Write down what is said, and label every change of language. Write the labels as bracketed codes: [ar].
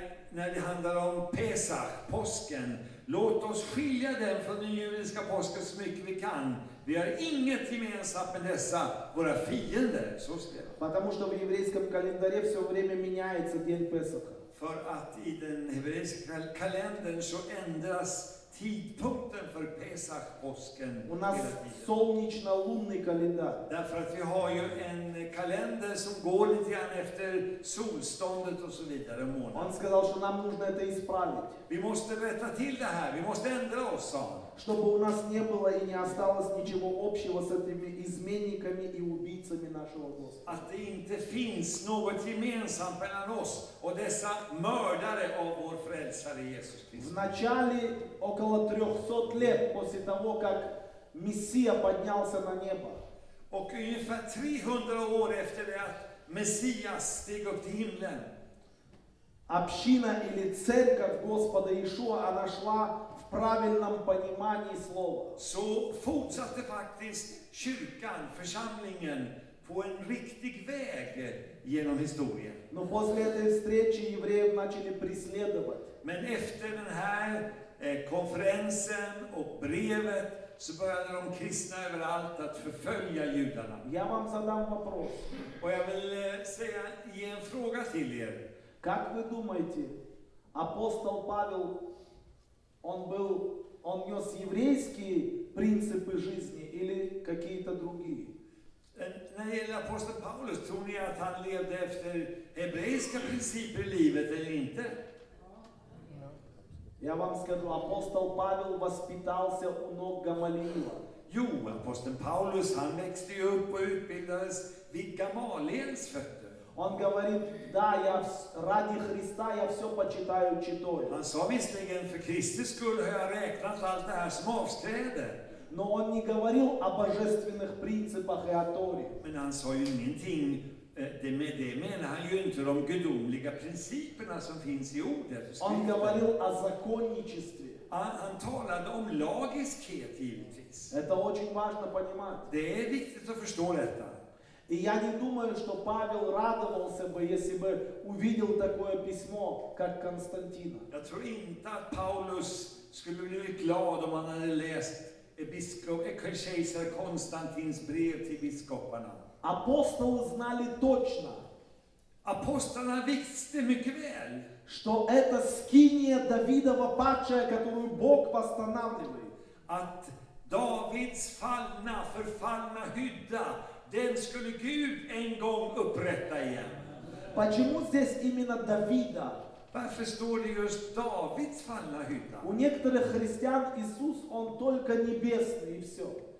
[sv] När det handlar om Pesach, påsken, låt oss skilja den från den judiska påsken så mycket vi kan. Vi har inget gemensamt med dessa våra fiender, så skrev. [ru] Потому что в еврейском календаре все время меняется день Песаха. [sv] För att i den hebreiska kalendern så ändras tidpunkten för Pesach, påsken. [ru] У нас солнечно-лунный календарь. [sv] Därför att vi har ju en kalender som går lite grann efter solståndet och så vidare, månaden. [ru] Он сказал, что нам нужно это исправить. [sv] Vi måste rätta till det här, vi måste ändra oss, sa han. [ru] Чтобы у нас не было и не осталось ничего общего с этими изменниками и убийцами нашего Господа. [sv] Att det inte finns något gemensamt mellan oss och dessa mördare av vår frälsare Jesus Kristus. [ru] В начале около 300 лет после того, как Мессия поднялся на небо. [sv] Och ungefär 300 år efter det att Messias steg upp till himlen. [ru] Община или церковь Господа Иешуа, она шла в правильном понимании слова. [sv] Så fortsatte faktiskt kyrkan, församlingen, på en riktig väg genom historien. [ru] Но после этой встречи евреев начали преследовать. [sv] Men efter den här konferensen och brevet så började de kristna överallt att förfölja judarna. [ru] Я вам задам вопрос. [sv] Och jag vill säga, ge en fråga till er. [ru] Как вы думаете, апостол Павел, он нес еврейские принципы жизни или какие-то другие? [sv] När det gäller [ru] апостол Павлус, [sv] tror ni att han levde efter hebreiska principer i livet eller inte? [ru] Я вам скажу, апостол Павел воспитался у ног Гамалиила. [sv] Jo, [ru] апостол Павлус, [sv] han växte upp och utbildades vid Гамалиилс fötter. [ru] Он говорит, да, я ради Христа я все почитаю читой. [sv] Han sa visserligen, för Kristi skull har jag räknat allt det här som avsträde. [ru] Но он не говорил о божественных принципах и о Торе. [sv] Men han sa ju ingenting, med det menar han ju inte de gudomliga principerna som finns i ordet. [ru] Он говорил о законничестве. [sv] Han talade om lagiskhet givetvis. [ru] Это очень важно понимать. [sv] Det är viktigt att förstå detta. [ru] И я не думаю, что Павел радовался бы, если бы увидел такое письмо, как Константина. Я [sv] tror inte att Paulus skulle bli glad om han hade läst kejsar Konstantins brev till biskoparna. [ru] Апостолы знали точно. Апостолы [sv] visste mycket väl, [ru] что это скиния Давидова падшая, которую Бог восстанавливает. [sv] Att Davids fallna, förfallna hydda, den skulle Gud en gång upprätta igen. [ru] Почему здесь именно Давида? [sv] Varför står det just Davids fallna hytta? [ru] У некоторых христиан Иисус, он только небесный, и все.